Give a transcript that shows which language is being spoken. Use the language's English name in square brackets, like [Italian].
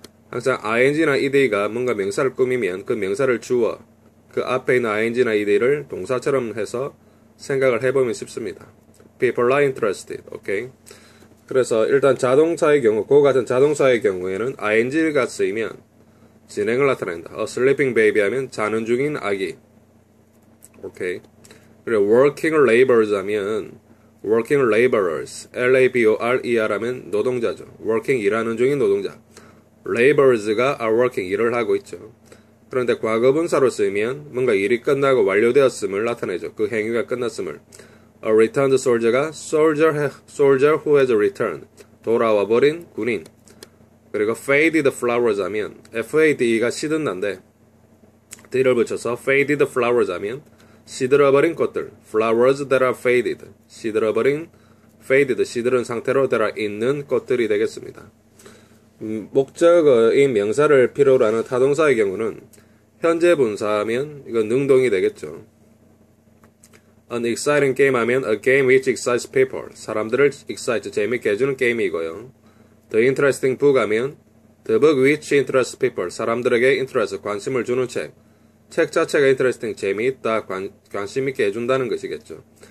[Korean] 항상 ing나 ed가 뭔가 명사를 꾸미면 그 명사를 주어 그 앞에 있는 ing나 ed를 동사처럼 해서 생각을 해보면 쉽습니다. [English] People are interested. Okay. [Korean] 그래서 일단 자동차의 경우, 그 같은 자동차의 경우에는 ing가 쓰이면 진행을 나타낸다. [English] A sleeping baby [Korean] 하면 자는 중인 아기. [English] Okay. 그리고 working laborers 하면 working laborers, labor [Korean] 하면 노동자죠. working 일하는 중인 노동자. laborers가 [English] are working [Korean] 일을 하고 있죠. 그런데 과거분사로 쓰이면 뭔가 일이 끝나고 완료되었음을 나타내죠. 그 행위가 끝났음을. [English] A returned soldier가 soldier who has returned. [Korean] 돌아와 버린 군인. 그리고 [English] faded flowers [Korean] 하면 FADE가 시든난데 D를 붙여서 faded flowers 하면 시들어버린 꽃들. [English] Flowers that are faded. [Korean] 시들어버린, faded, 시들은 상태로 [English] that are [Korean] 있는 꽃들이 되겠습니다. 목적어인 명사를 필요로 하는 타동사의 경우는 현재 분사하면 이건 능동이 되겠죠. [English] An exciting game [Korean] 하면 [English] a game which excites people. [Korean] 사람들을 excite, 재밌게 해주는 게임이고요. [English] The interesting book [Korean] 하면 [English] the book which interests people. [Korean] 사람들에게 interest, 관심을 주는 책. 책 자체가 interesting, 재미있다, 관심있게 해준다는 것이겠죠.